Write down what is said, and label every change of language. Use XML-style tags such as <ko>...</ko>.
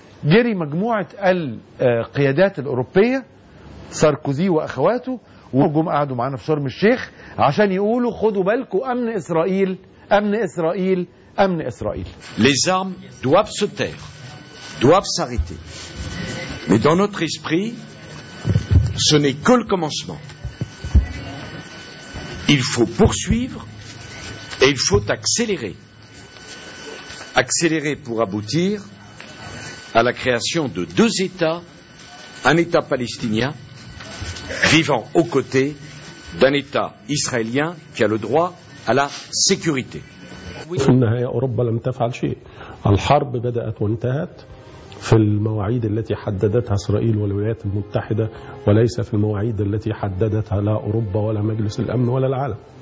<ar>جري مجموعة القيادات الأوروبية، ساركوزي وأخواته، وجم قعدوا معنا في شرم الشيخ عشان يقولوا خدوا بالكم، أمن إسرائيل، أمن إسرائيل، أمن إسرائيل.</ar> <fr>Les armes doivent se taire, doivent s'arrêter. Mais dans notre esprit, ce n'est que le commencement. Il faut poursuivre et il faut accélérer. Accélérer pour aboutir à la création de deux États, un État palestinien vivant aux côtés d'un État israélien qui a le droit à la sécurité.</fr> <ar>في النهاية أوروبا لم تفعل شيء. الحرب بدأت وانتهت في المواعيد التي حددتها إسرائيل والولايات المتحدة، وليس في المواعيد التي حددتها لا أوروبا ولا مجلس الأمن ولا العالم.</ar>